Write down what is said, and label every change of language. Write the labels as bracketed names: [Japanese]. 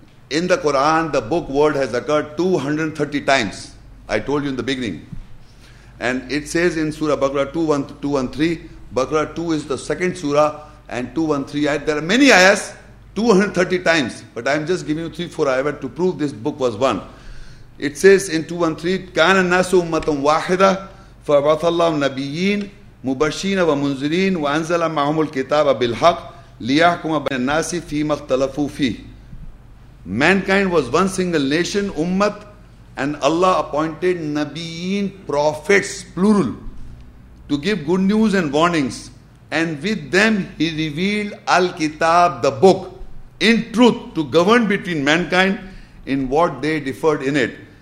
[English] In the Quran, the book word has occurred 230 times. I told you in the beginning. And it says in Surah Baqarah 2-1-3, Baqarah 2 is the second surah, and 2-1-3 ayat. There are many ayahs, 230 times. But I am just giving you 3-4 ayahs to prove this book was one. It says in 2-1-3, [Arabic] كَانَ النَّاسُ أُمَّةٌ وَاحِدَةٌ فَبَعَثَ اللَّهُ نَبِيِّينَ مبشرين ومنذرين وانزل معهم الكتاب بالحق ليحكم بين الناس فيما اختلفوا فيه. [English] Mankind was one single nation, ummat, and Allah appointed nabiyin, prophets, plural, to give good news and warnings, and with them he revealed al-kitab, the book, in truth, to govern between mankind in what they differed in it.